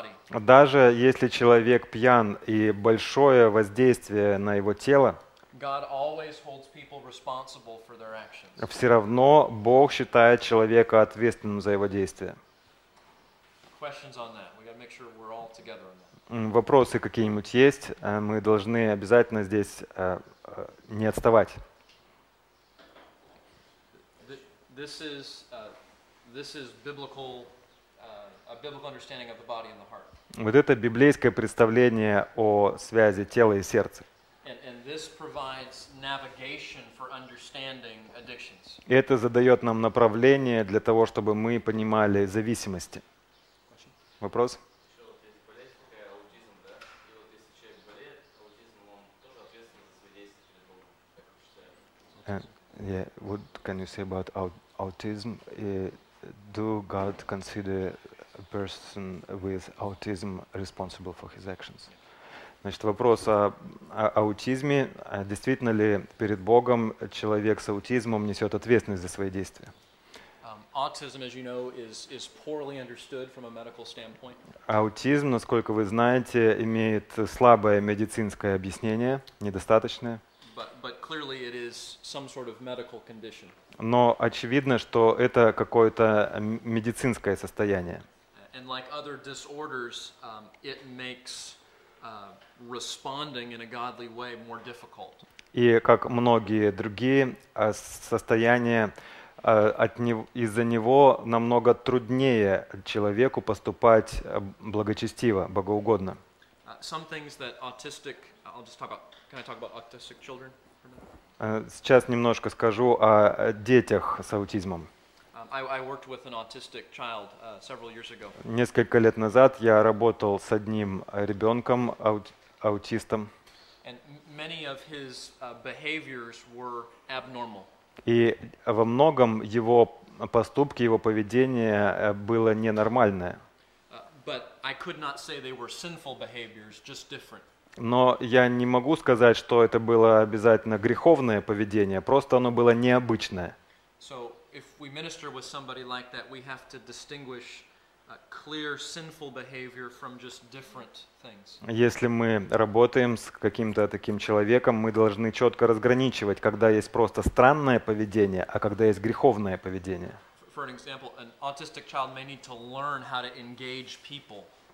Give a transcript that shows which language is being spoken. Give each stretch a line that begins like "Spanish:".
Russian: Даже если человек пьян и большое воздействие на его тело,
English: God always holds people responsible for their actions.
Russian: Все равно Бог считает человека ответственным за его действия.
English: Questions on that. We got to make sure we're all together on that.
Russian: Вопросы какие-нибудь есть? Мы должны обязательно здесь не отставать.
English: This is biblical, a biblical understanding of the body and the heart.
Russian: Вот это библейское представление о связи тела и сердца.
English: And this provides navigation for understanding addictions.
Russian: Это задает нам направление для того, чтобы мы понимали зависимости. Вопрос?
English: Yeah, what can you say about autism? Do God consider a person with autism responsible for his actions?
Russian: Значит, вопрос о аутизме. Действительно ли перед Богом человек с аутизмом несет ответственность за свои действия?
English: Autism, as you know, is poorly understood from a medical standpoint.
Russian: Аутизм, насколько вы знаете, имеет слабое медицинское объяснение, недостаточное.
English: But clearly it is some sort of medical condition.
Russian: Но очевидно, что это какое-то медицинское состояние.
English: And like other disorders, it makes responding in a godly way more difficult.
Russian: И как многие другие состояния, от него, из-за него намного труднее человеку поступать благочестиво, богоугодно.
English: Some things that autistic, I'll just talk about, can I talk about autistic children for a minute?
Russian: Сейчас немножко скажу о детях с аутизмом.
English: I worked with an autistic child several years ago.
Russian: Несколько лет назад я работал с одним ребенком аутистом.
English: And many of his behaviors were abnormal.
Russian: И во многом его поступки, его поведение было ненормальное.
English: But I could not say they were sinful behaviors, just different.
Russian: Но я не могу сказать, что это было обязательно греховное поведение, просто оно было необычное.
English: So if we minister with somebody like that, we have to distinguish clear sinful behavior from just different things.
Russian: Если мы работаем с каким-то таким человеком, мы должны четко разграничивать, когда есть просто странное поведение, а когда есть греховное поведение.
English: For example, an autistic child may need to learn how to engage people.